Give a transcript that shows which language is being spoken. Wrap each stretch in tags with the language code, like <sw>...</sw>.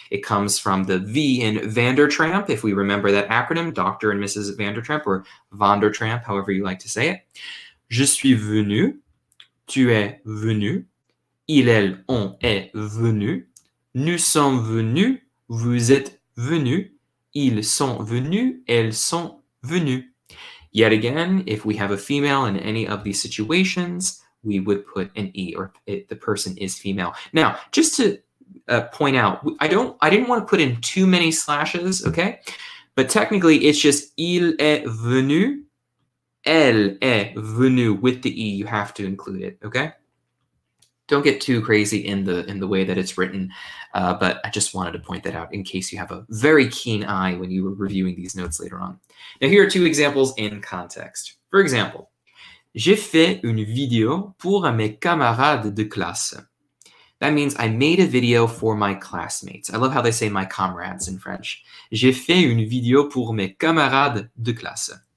<en>It comes from the V in Vandertramp, if we remember that acronym, Dr. and Mrs. Vandertramp, or Vandertramp, however you like to say it.</en> <fr>Je suis venu, tu es venu, ils, elles, on est venu, nous sommes venus, vous êtes venus, ils sont venus, elles sont venues.</fr> <en>Yet again, if we have a female in any of these situations, we would put an E, or if the person is female. Now, just to point out, I didn't want to put in too many slashes, okay? But technically, it's just</en> <fr>il est venu, elle est venue</fr> <en>with the E. You have to include it, okay? Don't get too crazy in the way that it's written, but I just wanted to point that out in case you have a very keen eye when you were reviewing these notes later on. Now, here are two examples in context. For example,</en> <fr>j'ai fait une vidéo pour mes camarades de classe.</fr> <en>That means I made a video for my classmates. I love how they say my comrades in French.</en> <fr>J'ai fait une vidéo pour mes camarades de classe.</fr>